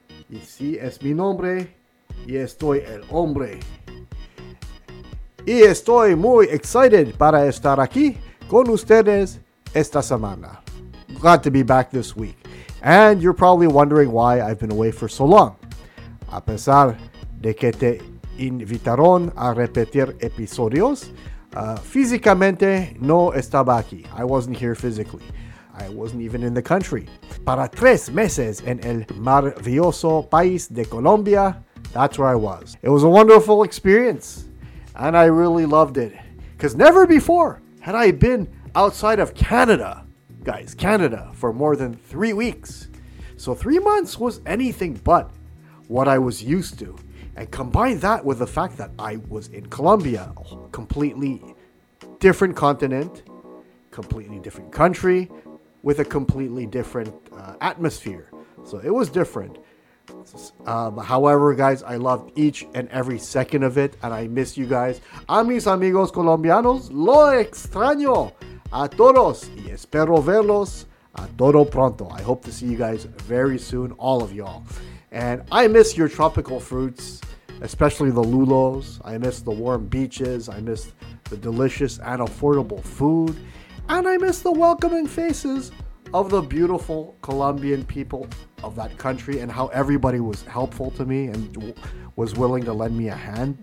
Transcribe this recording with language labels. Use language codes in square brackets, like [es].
[es] Y si es mi nombre, y estoy el hombre. Y estoy muy [en] excited [es] para estar aquí con ustedes esta semana. [en] Glad to be back this week. And you're probably wondering why I've been away for so long. [es] A pesar de que te invitaron a repetir episodios, físicamente no estaba aquí. [en] I wasn't here physically. I wasn't even in the country. [es] Para tres meses en el maravilloso país de Colombia, [en] that's where I was. It was a wonderful experience, and I really loved it. Because never before had I been outside of Canada. Guys, Canada, for more than 3 weeks. So 3 months was anything but what I was used to. And combine that with the fact that I was in Colombia, completely different continent, completely different country, with a completely different atmosphere. So it was different. However, guys, I loved each and every second of it, and I miss you guys. [es] A mis amigos colombianos, lo extraño a todos y espero verlos a todo pronto. [en] I hope to see you guys very soon, all of y'all. And I miss your tropical fruits, especially the lulos. I miss the warm beaches. I miss the delicious and affordable food. And I miss the welcoming faces of the beautiful Colombian people of that country and how everybody was helpful to me and was willing to lend me a hand.